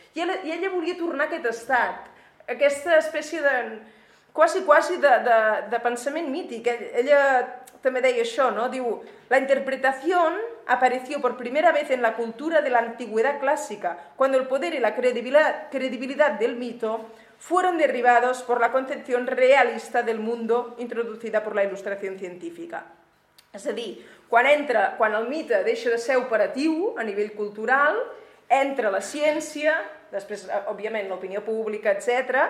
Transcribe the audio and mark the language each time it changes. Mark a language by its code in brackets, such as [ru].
[ca] I ella volia tornar a aquest estat, aquesta espècie de quasi de pensament mític. Ella també deia això, no? [es] Diu, la interpretación apareció por primera vez en la cultura de la antigüedad clásica, cuando el poder y la credibilidad del mito fueron derribados por la concepción realista del mundo introducida por la ilustración científica. [ca] És a dir, quan el mite deixa de ser operatiu a nivell cultural, entra la ciència, després, òbviament, l'opinió pública, etc.